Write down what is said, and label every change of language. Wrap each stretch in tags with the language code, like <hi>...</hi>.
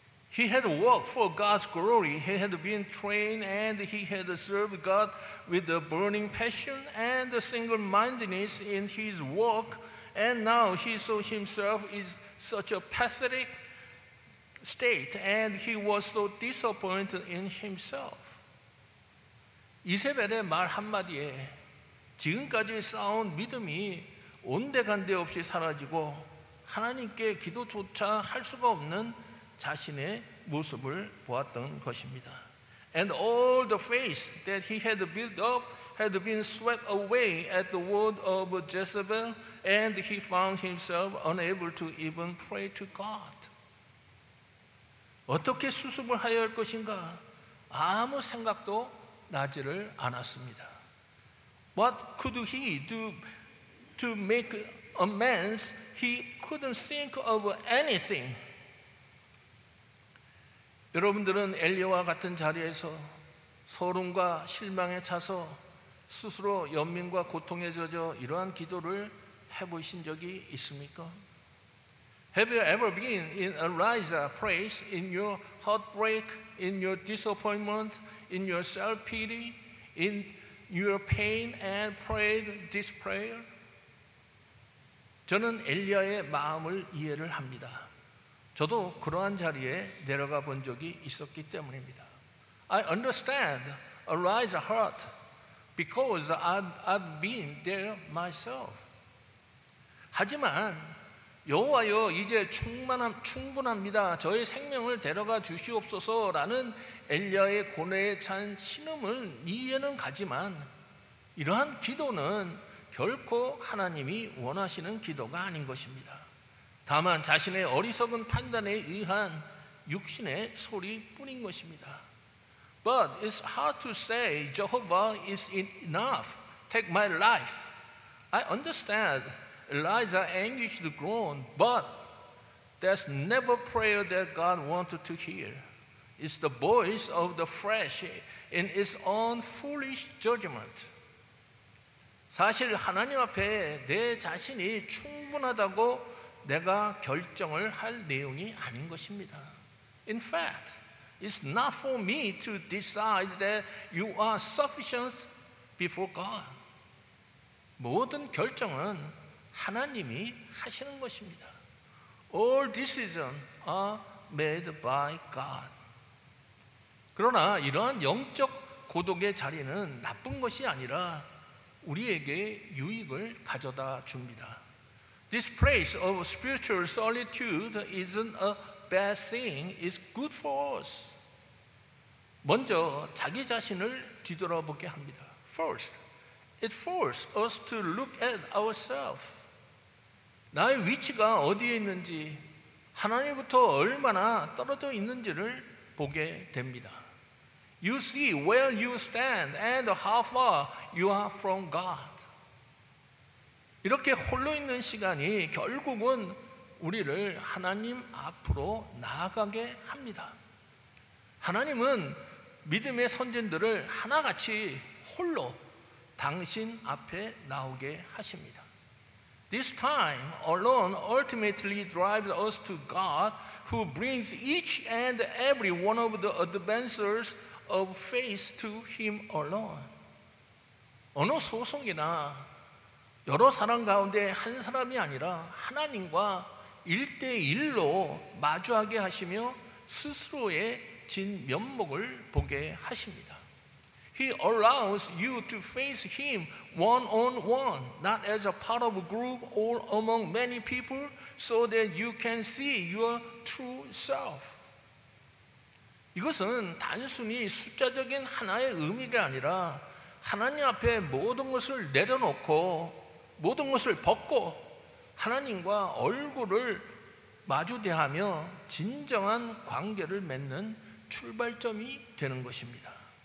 <en>He had worked for God's glory. He had been trained and he had served God with a burning passion and single-mindedness in his work. And now he saw himself as such a pathetic state and he was so disappointed in himself.</en> <ko>이세벨의 말 한마디에 지금까지 쌓아온 믿음이 온데간데 없이 사라지고 하나님께 기도조차 할 수가 없는 자신의 모습을 보았던 것입니다.</ko> <en>And all the faith that he had built up had been swept away at the word of Jezebel and he found himself unable to even pray to God.</en> <ko>어떻게 수습을 해야 할 것인가 아무 생각도 나지를 않았습니다.</ko> <en>What could he do to make amends? He couldn't think of anything.</en> <ko>여러분들은 엘리야와 같은 자리에서 서름과 실망에 차서 스스로 연민과 고통에 젖어 이러한 기도를 해보신 적이 있습니까?</ko> <en>Have you ever been in Elijah's place in your heartbreak, in your disappointment, in your self-pity, in your pain and prayed this prayer?</en> <ko>저는 엘리야의 마음을 이해를 합니다. 저도 그러한 자리에 내려가 본 적이 있었기 때문입니다.</ko> <en>I understand Elijah's heart because I've been there myself.</en> <ko>하지만 여호와여 이제 충분합니다. 저의 생명을 데려가 주시옵소서라는 엘리야의 고뇌에 찬 신음은 이해는 가지만 이러한 기도는 결코 하나님이 원하시는 기도가 아닌 것입니다. 다만 자신의 어리석은 판단에 의한 육신의 소리뿐인 것입니다.</ko> <en>But it's hard to say Jehovah is enough. Take my life. I understand Elijah anguished the groan, but that's never prayer that God wanted to hear. It's the voice of the flesh in its own foolish judgment.</en> <ko>사실 하나님 앞에 내 자신이 충분하다고 내가 결정을 할 내용이 아닌 것입니다.</ko> <en>In fact, it's not for me to decide that you are sufficient before God.</en> <ko>모든 결정은 하나님이 하시는 것입니다.</ko> <en>All decisions are made by God.</en> <ko>그러나 이러한 영적 고독의 자리는 나쁜 것이 아니라 우리에게 유익을 가져다 줍니다.</ko> <en>This place of spiritual solitude isn't a bad thing. It's good for us.</en> <ko>먼저 자기 자신을 뒤돌아보게 합니다.</ko> <en>First, it forces us to look at ourselves.</en> <ko>나의 위치가 어디에 있는지, 하나님부터 얼마나 떨어져 있는지를 보게 됩니다.</ko> <en>You see where you stand and how far you are from God.</en> <ko>이렇게 홀로 있는 시간이 결국은 우리를 하나님 앞으로 나아가게 합니다. 하나님은 믿음의 선진들을 하나같이 홀로 당신 앞에 나오게 하십니다.</ko> <en>This time alone ultimately drives us to God who brings each and every one of the advancers of faith to him alone.</en> <ko>어느 소송이나 여러 사람 가운데 한 사람이 아니라 하나님과 일대일로 마주하게 하시며 스스로의 진 면목을 보게 하십니다.</ko> <en>He allows you to face him one-on-one, not as a part of a group or among many people, so that you can see your true self.</en> <ko>이것은 단순히 숫자적인 하나의 의미가 아니라 하나님 앞에 모든 것을 내려놓고 모든 것을 벗고 하나님과 얼굴을 마주대하며 진정한 관계를 맺는 출발점이 되는 것입니다.</ko>